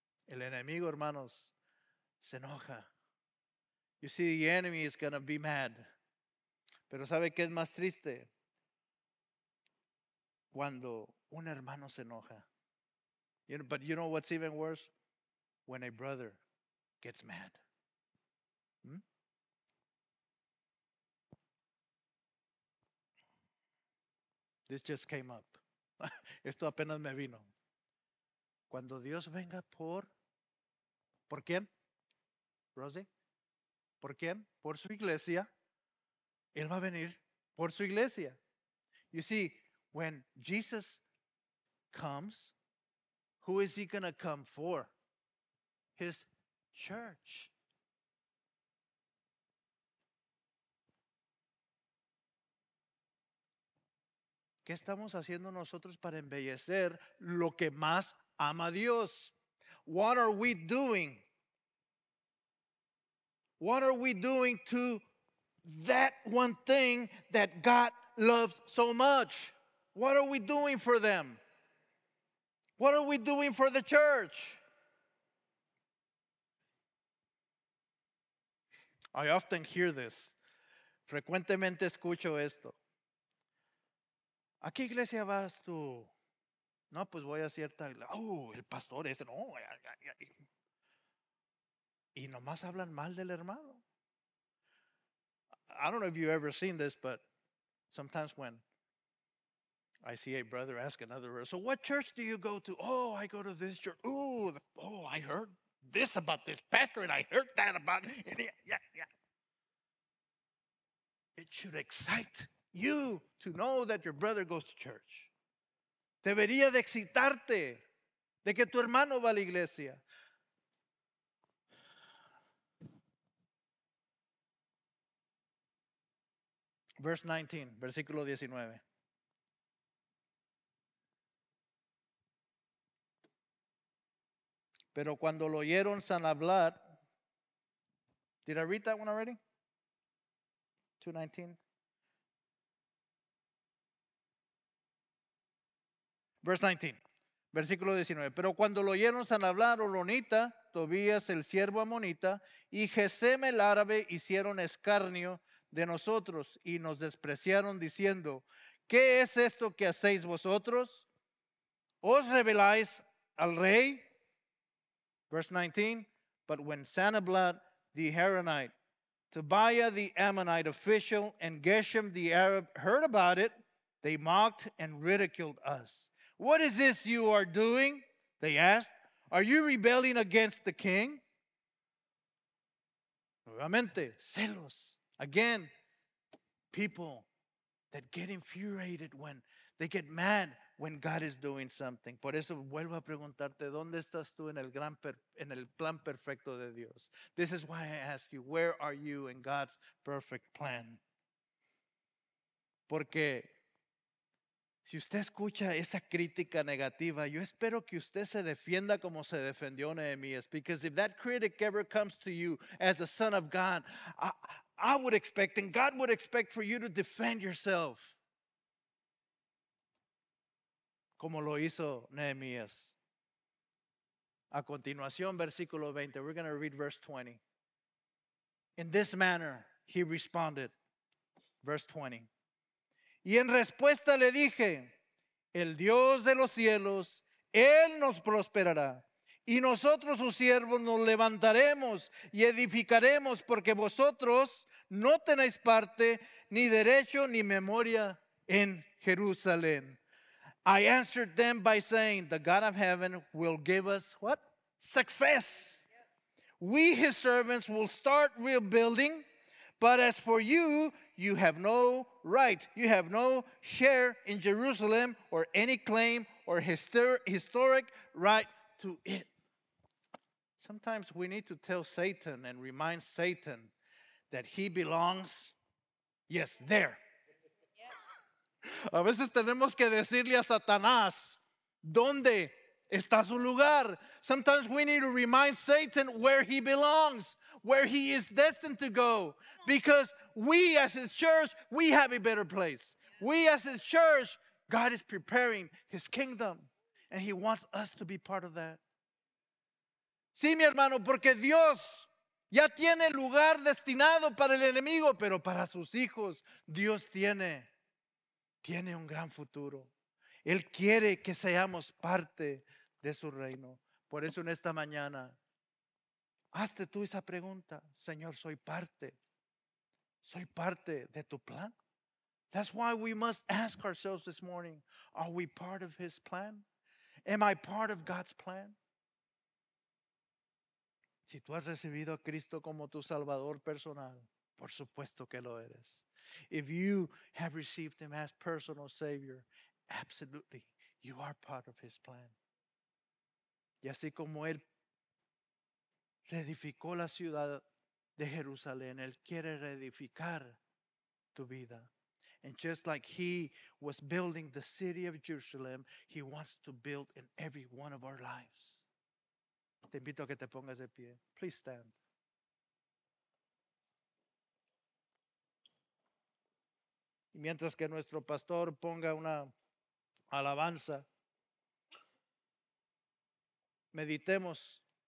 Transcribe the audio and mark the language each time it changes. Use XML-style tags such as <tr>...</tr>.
<es>El enemigo, hermanos, se enoja.</es> <en>You see, the enemy is going to be mad.</en> <es>Pero ¿sabe qué es más triste? Cuando un hermano se enoja.</es> <en>You know, but you know what's even worse? When a brother gets mad. This just came up.</en> <es>Esto apenas me vino. Cuando Dios venga por... ¿Por quién? Rosie. ¿Por quién? Por su iglesia. Él va a venir por su iglesia.</es> <en>You see, when Jesus comes, who is he going to come for? His church.</en> <es>¿Qué estamos haciendo nosotros para embellecer lo que más ama Dios?</es> <en>What are we doing? What are we doing to that one thing that God loves so much? What are we doing for them? What are we doing for the church? I often hear this.</en> <es>Frecuentemente escucho esto. ¿A qué iglesia vas tú? No, pues voy a cierta iglesia. Oh, el pastor ese. No. Y nomás hablan mal del hermano.</es> <en>I don't know if you've ever seen this, but sometimes when I see a brother ask another brother, so what church do you go to? Oh, I go to this church. Ooh, oh, I heard this about this pastor, and I heard that about it. It should excite you to know that your brother goes to church.</en> <es>Debería de excitarte de que tu hermano va a la iglesia.</es> <en>Verse 19,</en> <es>versículo 19. Pero cuando lo oyeron san hablar.</es> <en>Did I read that one already? 2:19. Verse 19,</en> <es>versículo 19. Pero cuando lo oyeron san hablar, Oronita, Tobías, el siervo Amonita, y Gesem el árabe hicieron escarnio de nosotros y nos despreciaron diciendo, ¿qué es esto que hacéis vosotros? ¿Os rebeláis al rey?</es> <en>Verse 19, but when Sanballat the Horonite, Tobiah the Ammonite official, and Geshem the Arab heard about it, they mocked and ridiculed us. What is this you are doing? They asked. Are you rebelling against the king?</en> <es>Nuevamente, celos.</es> <en>Again, people that get infuriated when they get mad when God is doing something.</en> <es>Por eso vuelvo a preguntarte, ¿dónde estás tú en el plan perfecto de Dios?</es> <en>This is why I ask you, where are you in God's perfect plan?</en> <es>Porque si usted escucha esa crítica negativa, yo espero que usted se defienda como se defendió Nehemías.</es> <en>Because if that critic ever comes to you as a son of God, I would expect and God would expect for you to defend yourself.</en> <es>Como lo hizo Nehemías. A continuación, versículo 20.</es> <en>We're going to read verse 20. In this manner, he responded. Verse 20.</en> <es>Y en respuesta le dije, el Dios de los cielos, Él nos prosperará. Y nosotros, sus siervos, nos levantaremos y edificaremos, porque vosotros no tenéis parte, ni derecho, ni memoria en Jerusalén.</es> <en>I answered them by saying, the God of heaven will give us, what? Success. We, his servants, will start rebuilding. But as for you, you have no right. You have no share in Jerusalem or any claim or historic right to it. Sometimes we need to tell Satan and remind Satan that he belongs, yes, there.</en> <es>Yeah. A veces tenemos que decirle a Satanás, ¿dónde está su lugar?</es> <en>Sometimes we need to remind Satan where he belongs, where he is destined to go. Because we as his church, we have a better place. We as his church, God is preparing his kingdom. And he wants us to be part of that.</en> <es>Sí, mi hermano, porque Dios ya tiene lugar destinado para el enemigo, pero para sus hijos, Dios tiene un gran futuro. Él quiere que seamos parte de su reino. Por eso en esta mañana, hazte tú esa pregunta. Señor, soy parte de tu plan.</es> <en>That's why we must ask ourselves this morning, are we part of His plan? Am I part of God's plan?</en> <es>Si tú has recibido a Cristo como tu Salvador personal, por supuesto que lo eres.</es> <en>If you have received Him as personal Savior, absolutely, you are part of His plan.</en> <es>Y así como Él reedificó la ciudad de Jerusalén, Él quiere reedificar tu vida.</es> <en>And just like He was building the city of Jerusalem, He wants to build in every one of our lives.</en> <es>Te invito a que te pongas de pie.</es> <en>Please stand.</en> <es>Y mientras que nuestro pastor ponga una alabanza, meditemos.</es>